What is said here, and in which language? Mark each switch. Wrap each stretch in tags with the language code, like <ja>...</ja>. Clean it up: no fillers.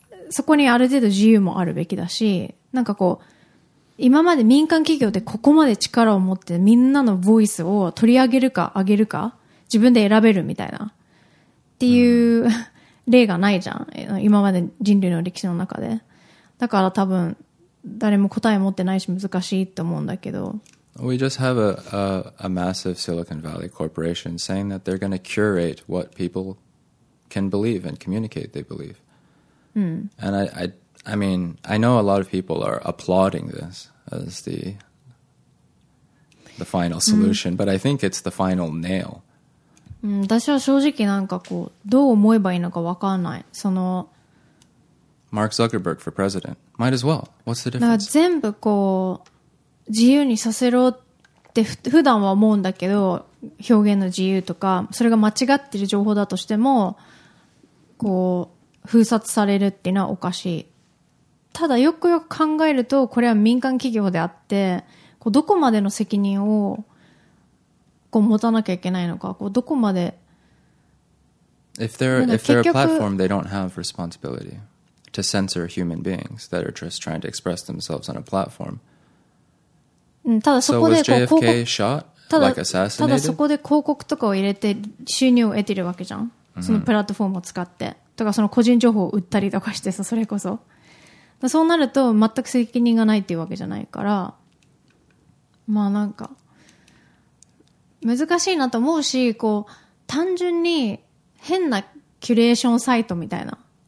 <ja>そこにある程度自由もあるべきだしなんかこう今まで民間企業でここまで力を持ってみんなのボイスを取り上げるか上げるか自分で選べるみたいなっていう、例がないじゃん今まで人類の歴史の中でだから多分誰も答え持ってないし難しいと思うんだけど</ja> <en>We just have a massive Silicon Valley corporation saying that they're going to curate what people can believe and communicate they believe And I mean, I know a lot of people are applauding this as the final solution,、うん、but I think it's the final nail.、</en> <ja>うん、私は正直なんかこうどう思えばいいのか分かんない。その</ja> <en>Mark Zuckerberg for president. Might as well. What's the difference?</en> <ja>だから全部こう自由にさせろって普段は思うんだけど、表現の自由とか、それが間違ってる情報だとしても、こう封殺されるっていうのはおかしい。ただよくよく考えると、これは民間企業であって、こうどこまでの責任をこう持たなきゃいけないのか、こうどこまで。</ja> <en>If they're a platform, they don't have responsibility to censor human beings that are just trying to express themselves on a platform.</en> <ja>ただそこでこう広告、</ja> <en>so shot,</en> <ja>ただ、</ja> <en>like、assassinated?</en> <ja>ただそこで広告とかを入れて収入を得てるわけじゃん。そのプラットフォームを使って、mm-hmm. とかその個人情報を売ったりとかしてさ、それこそ。そうなると全く責任がないっていうわけじゃないから、まあなんか難しいなと思うし、こう単純に変なキュレーションサイトみたいな。</ja>